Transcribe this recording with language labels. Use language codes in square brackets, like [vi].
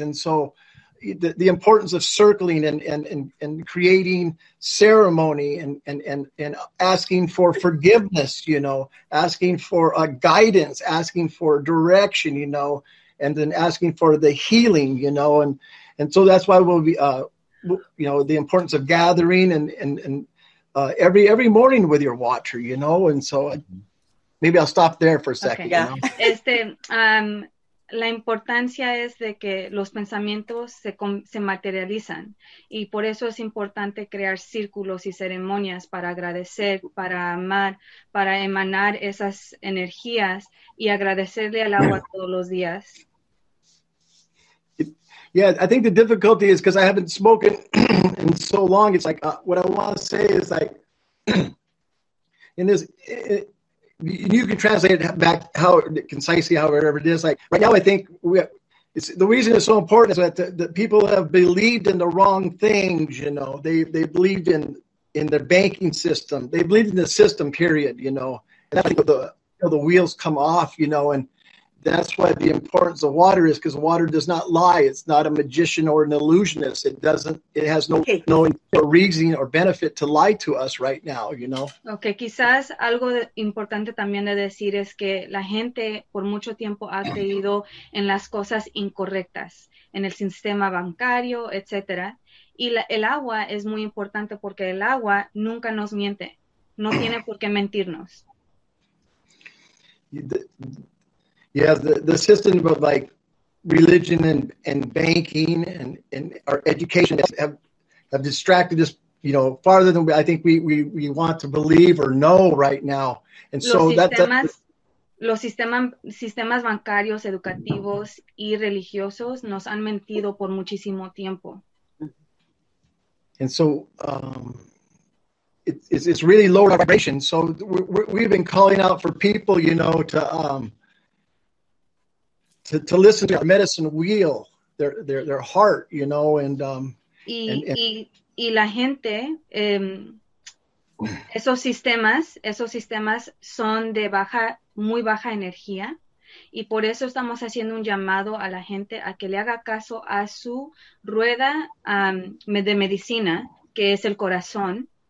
[en] And so the importance of circling and creating ceremony and asking for forgiveness, you know, asking for guidance, asking for direction, you know, and then asking for the healing, you know, and so that's why we'll be, you know, the importance of gathering and every morning with your watcher, you know, and so maybe I'll stop there for a second. Okay. You know? [es] La importancia es de que los pensamientos se materializan, y por eso es importante crear círculos y ceremonias para agradecer, para amar, para emanar esas energías y agradecerle al agua todos los días. [en] Yeah, I think the difficulty is because I haven't spoken in so long. It's like what I want to say is like in this. You can translate it back how concisely, however it is. Like right now, I think the reason it's so important is that the people have believed in the wrong things. You know, they believed in the banking system. They believed in the system. Period. You know, and that's the wheels come off. You know, and that's why the importance of water is, because water does not lie. It's not a magician or an illusionist. It doesn't. It has no reason or benefit to lie to us right now, you know? [es] Okay, quizás algo importante también de decir es que la gente por mucho tiempo ha creído en las cosas incorrectas, en el sistema bancario, etc. Y el agua es muy importante porque el agua nunca nos miente. No tiene por qué mentirnos. [en] The system of like religion and banking and our education have distracted us, you know, farther than I think we want to believe or know right now. And so [es] los sistemas bancarios, educativos y religiosos nos han mentido por muchísimo tiempo. [en] And so it's really low vibration. So we've been calling out for people, you know, to listen to our medicine wheel, their heart, you know, and [es] la gente, esos sistemas son de baja, muy baja energía, y por eso estamos haciendo un llamado a la gente a que le haga caso a su rueda de medicina, que es el corazón.